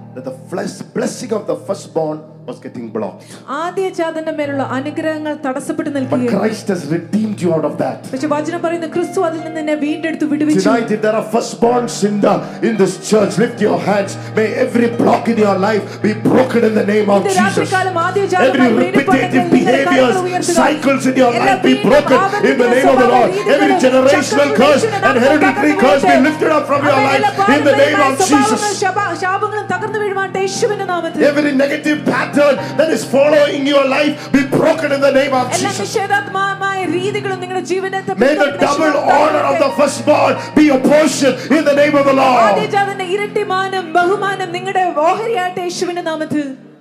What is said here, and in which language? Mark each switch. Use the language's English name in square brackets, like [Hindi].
[English] That the flesh blessing of the firstborn was getting blocked. [Malayalam] ആദ്യജാതന്റെ മേലുള്ള അനുഗ്രഹങ്ങൾ തടസ്സപ്പെട്ടു നിൽക്കുകയാണ്. [English] Christ has redeemed you out of that. [Malayalam] പക്ഷേ വചനം പറയുന്നു ക്രിസ്തു അതിൽ നിന്ന് എന്നെ വീണ്ടെടുത്തു വിടുവിച്ചു. [English] Tonight if there are firstborns in this church, lift your hands. May every block in your life be broken in the name of Jesus. Every repetitive behaviors, cycles in your life be broken in the name of the Lord. Every generational curse and hereditary curse be lifted up from your life in the name of Jesus. [Malayalam] ശാപങ്ങളും തകർന്നു വീഴുവാൻ യേശുവിന്റെ നാമത്തിൽ. [English] Every negative pattern that is following your life be broken in the name of Jesus. May the double honor of the firstborn be a portion in the name of the Lord.